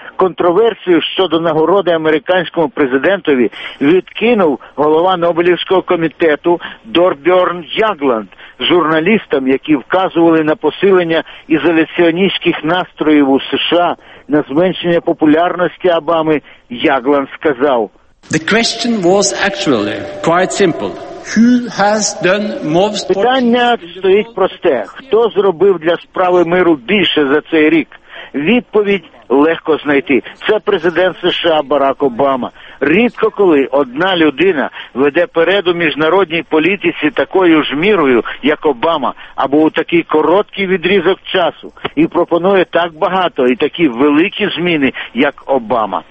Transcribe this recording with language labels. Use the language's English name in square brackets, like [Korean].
[Ukrainian] Контроверсію щодо нагороди американському президентові відкинув голова Нобелівського комітету Дорбьорн Ягланд журналістам, які вказували на посилення ізоляціоністських настроїв у США, на зменшення популярності Обами, Ягланд сказав. [English] The question was actually quite simple. Who has done most? [Ukrainian] Питання стоїть просте. Хто зробив для справи миру більше за цей рік? Відповідь легко знайти. Це президент США Барак Обама. Рідко коли одна людина веде перед у міжнародній політиці такою ж мірою, як Обама, або у такий короткий відрізок часу, і пропонує так багато і такі великі зміни, як Обама.